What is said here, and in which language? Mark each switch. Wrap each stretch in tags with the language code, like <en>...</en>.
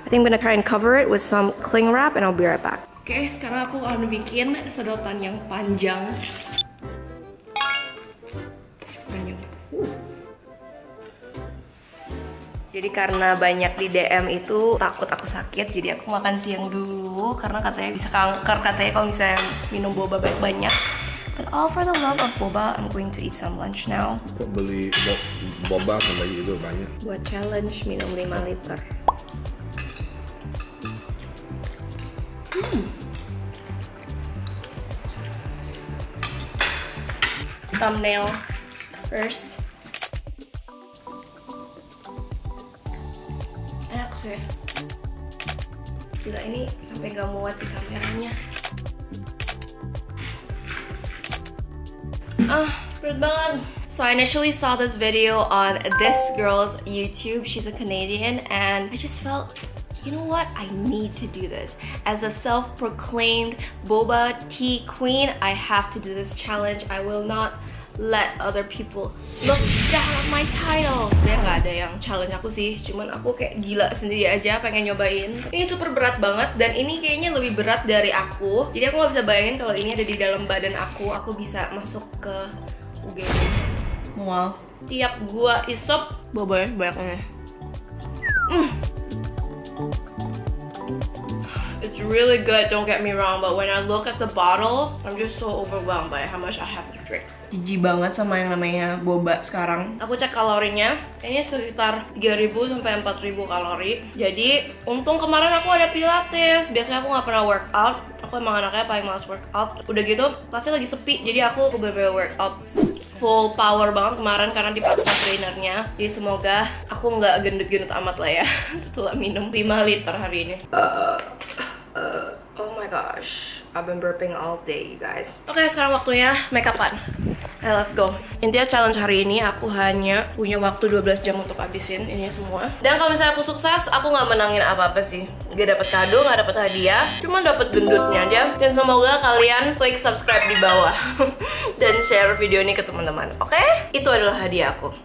<en>I think I'm gonna try and cover it with some cling wrap and I'll be right back.</en> <id>Oke, sekarang aku akan bikin sedotan yang panjang. Jadi karena banyak di DM itu takut aku sakit, jadi aku makan siang dulu karena katanya bisa kanker, katanya kalau misalnya minum boba banyak.</id> <en>But all for the love of boba, I'm going to eat some lunch now.</en> <id>Kok beli boba sama itu banyak? Buat challenge minum 5 liter.</id> <en>Thumbnail first.</en> <id>Gila ini sampai gak muat di kameranya. Perut banget.</id> <en>So I initially saw this video on this girl's YouTube. She's a Canadian and I just felt, you know what, I need to do this. As a self-proclaimed boba tea queen, I have to do this challenge. I will not let other people look down at my titles.</en> <id>Ya gak ada yang challenge aku sih, cuman aku kayak gila sendiri aja pengen nyobain. Ini super berat banget dan ini kayaknya lebih berat dari aku. Jadi aku gak bisa bayangin kalau ini ada di dalam badan aku bisa masuk ke UGD. Mual. Tiap gua isop, bobanya sebanyaknya.</id> <en>It's really good, don't get me wrong, but when I look at the bottle, I'm just so overwhelmed by how much I have to drink.</en> <id>Jijik banget sama yang namanya boba sekarang. Aku cek kalorinya, kayaknya sekitar 3.000 sampai 4.000 kalori. Jadi, untung kemarin aku ada pilates. Biasanya aku gak pernah workout. Aku emang anaknya paling malas workout. Udah gitu, kelasnya lagi sepi, jadi aku bener-bener workout full power banget kemarin karena dipaksa trainernya. Jadi semoga aku gak gendut-gendut amat lah ya setelah minum 5 liter hari ini.</id> <en>Oh my gosh, I've been burping all day, you guys.</en> <id>Okay, sekarang waktunya makeup-an.</id> <en>Hey, let's go.</en> <id>Intinya challenge hari ini, aku hanya punya waktu 12 jam untuk habisin ini semua. Dan kalau misalnya aku sukses, aku gak menangin apa-apa sih. Gak dapet kado, gak dapet hadiah, cuma dapet gendutnya aja. Dan semoga kalian klik subscribe di bawah dan share video ini ke teman-teman. Oke? Okay? Itu adalah hadiah aku.</id>